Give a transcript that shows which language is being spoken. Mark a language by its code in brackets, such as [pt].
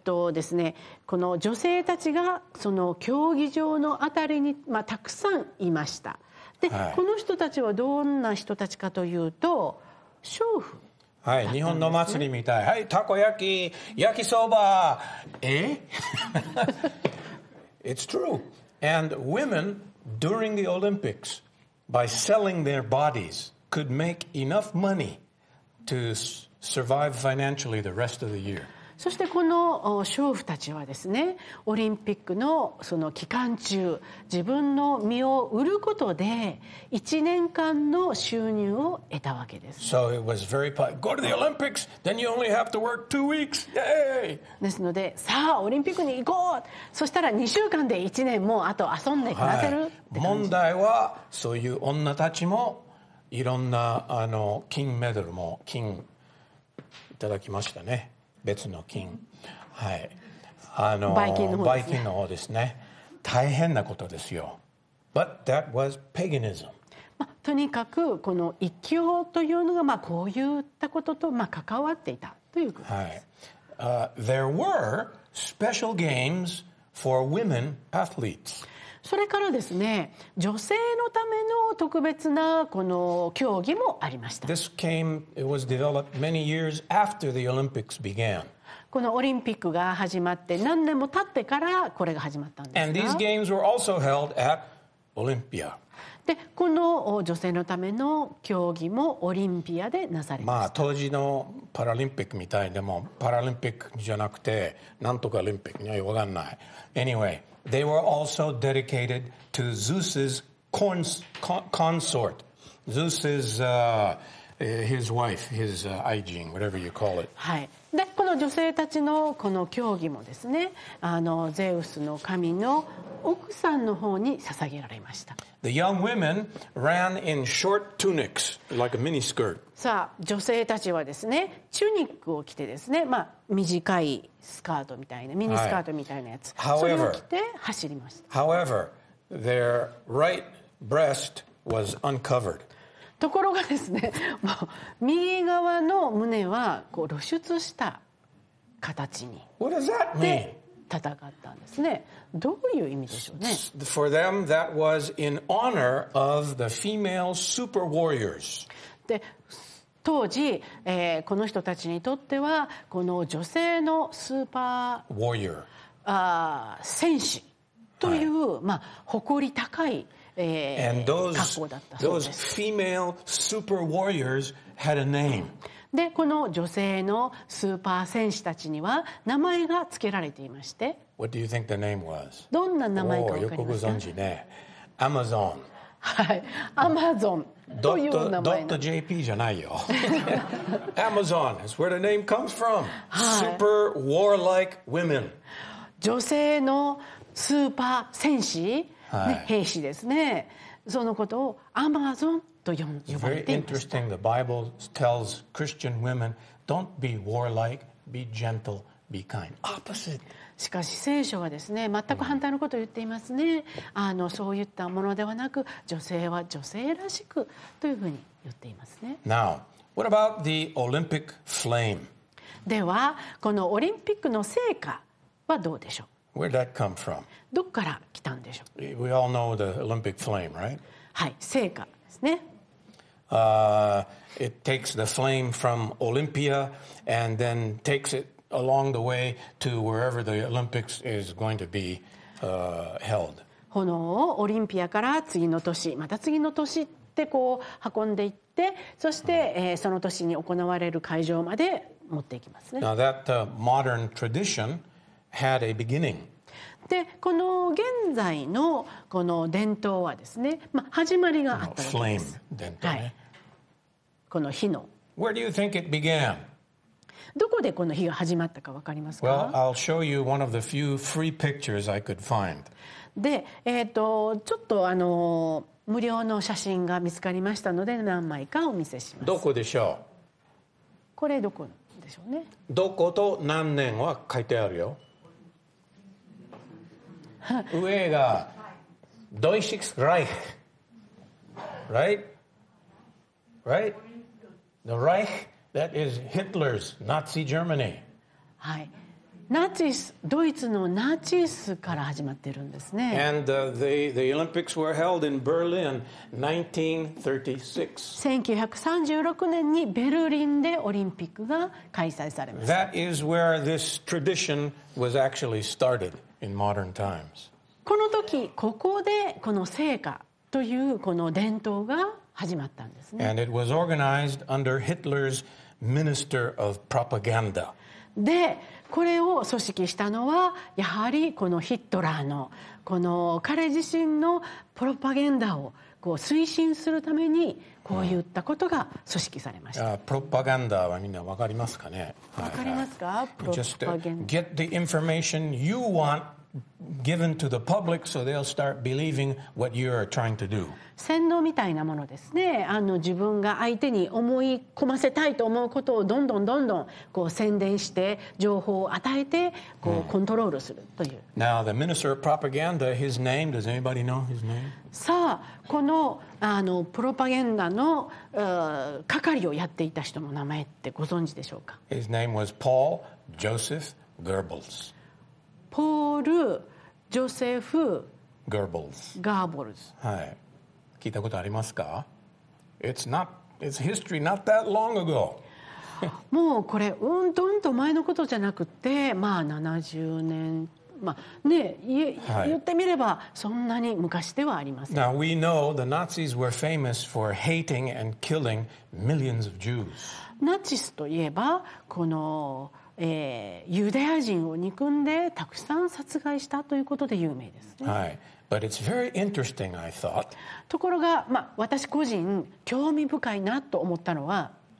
[ja] ですね、この女性たちがその競技場のあたりに、まあ、たくさんいました。で、はい、この人たちはどんな人たちかというと娼婦。はい、日本の祭りみたい。はい、たこ焼き、焼きそば。 [en] え？It's true. And women during the Olympics, by selling their bodies, could make enough money to survive financially the rest of the year. [ja] そしてこの娼婦たちはですね、オリンピックのその期間中、自分の身を売ることで1年間の収入を得たわけです。 [en] So it was very go to the Olympics, then you only have to work two weeks. Yay! [ja] ですので、さあオリンピックに行こう。そしたら2週間で1年もうあと遊んで暮らせる。問題はそういう女たちもいろんな金メダルも金いただきましたね。別の金、はい、バイキンの方ですね。大変なことですよ。 [en] But that was paganism、 [ja] まあ、とにかくこの異教というのが、まあ、こういったことと、まあ、関わっていたということです、 [en] はい。There were special games for women athletes。 [ja] それからですね、女性のための特別なこの競技もありました。 [en] This came, it was developed many years after the Olympics began. [ja] このオリンピックが始まって何年も経ってからこれが始まったんですか。 [en] And these games were also held at Olympia. [ja] で、この女性のための競技もオリンピアでなされました。まあ、当時のパラリンピックみたい。でもパラリンピックじゃなくてなんとかオリンピックには分かんない。 [en] Anyway, they were also dedicated to Zeus's consort. Zeus's his wife, his aijin, whatever you call it. [ja] はい。で、この女性たちのこの競技もですね、ゼウスの神の奥さんの方に捧げられました。 [en] The young women ran in short tunics, like a mini skirt. [ja] さあ、女性たちはですね、チュニックを着てですね、まあ、短いスカートみたいな、ミニスカートみたいなやつ、はい、それを着て走りました。 [en] However, their right breast was uncovered. [ja] ところがですね、右側の胸はこう露出した形に。 [en] What does that mean? [ja] 戦ったんですね。どういう意味でしょうね。 [en] For them, that was in honor of the female super warriors. [ja] で、当時、この人たちにとってはこの女性のスーパー、 [en] Warrior. [ja] 戦士という、はい、まあ、誇り高い。 [en] And those female super warriors had a name. [ja] で、この女性のスーパー戦士たちには名前が付けられていまして。 [en] What do you think the name was? [ja] どんな名前か分かりますか？よくご存知ね。Amazon. はい。Amazon という名前。 [en] .jp [ja] じゃないよ。 [en] Amazon is where the name comes from. Super warlike women. [ja] 女性のスーパー戦士。はい、兵士ですね。そのことをアマゾンと呼ばれています。 [en] It's very interesting. The Bible tells Christian women, don't be warlike, be gentle, be kind. Opposite. [ja] しかし聖書はですね、全く反対のことを言っていますね。そういったものではなく、女性は女性らしくというふうに言っていますね。 [en] Now, what about the Olympic flame? [ja] では、このオリンピックの聖火はどうでしょう。 [en] Where did that come from? [ja] どこから来たんでしょう。 [en] We all know the Olympic flame, right? [ja] はい、聖火ですね。 [en] It takes the flame from Olympia and then takes it along the way to wherever the Olympics is going to be held. [ja] 炎をオリンピアから次の都市、また次の都市ってこう運んでいって、そして、その都市に行われる会場まで持っていきますね。 [en] Now that modern tradition had a beginning. [ja] で、この現在のこの伝統はですね、まあ、始まりがあったわけです。 Flame 伝統ね。はい、この火の。 [en] Where do you think it began? [ja] どこでこの日が始まったか分かりますか? [en] Well, I'll show you one of the few free pictures I could find. [ja] で、ちょっと無料の写真が見つかりましたので何枚かお見せします。どこでしょう? これどこでしょうね。どこと何年は書いてあるよ。上がドイシクスライヒ。 [en] Right? Right? The Reich? That is Hitler's Nazi Germany. [ja] はい、ナチス、ドイツのナチスから始まってるんですね。 [en] And the Olympics were held in Berlin 1936. [ja] 1936年にベルリンでオリンピックが開催されました。 [en] That is where this tradition was actually started in modern times. [ja] この時、ここでこの聖火というこの伝統が始まったんですね。 [en] And it was organized under Hitler's Minister of Propaganda. [ja] で、これを組織したのはやはりこのヒトラーの、この彼自身のプロパガンダをこう推進するためにこういったことが組織されました。 Mm. プロパガンダはみんなわかりますかね。わかりますか、プロパガンダ。 [en] Just get the information you want. Given to the public, so they'll start believing what you are trying to do. [ja] 洗脳みたいなものですね。自分が相手に思い込ませたいと思うことをどんどんどんどんこう宣伝して情報を与えてこうコントロールするという。 Mm. [en] Now the minister of propaganda, his name, does anybody know his name? [ja] さあ、このプロパガンダの係をやっていた人の名前ってご存知でしょうか。 [en] His name was Paul Joseph Goebbels. [ja] ポール・ジョセフ・ ゲーボルズ。ガーボルズ。はい。聞いたことありますか? [en] It's history not that long ago. [ja] もうこれ、うんとうんと前のことじゃなくて、まあ70年、まあね、言ってみればそんなに昔ではありません。 [en] Now we know the Nazis were famous for hating and killing millions of Jews. [ja] ナチスといえば、この、ユダヤ人を憎んでたくさん殺害したということで有名ですね。 [en] はい。But it's very interesting, I thought. [ja] ところが、まあ、私個人興味深いなと思ったのは、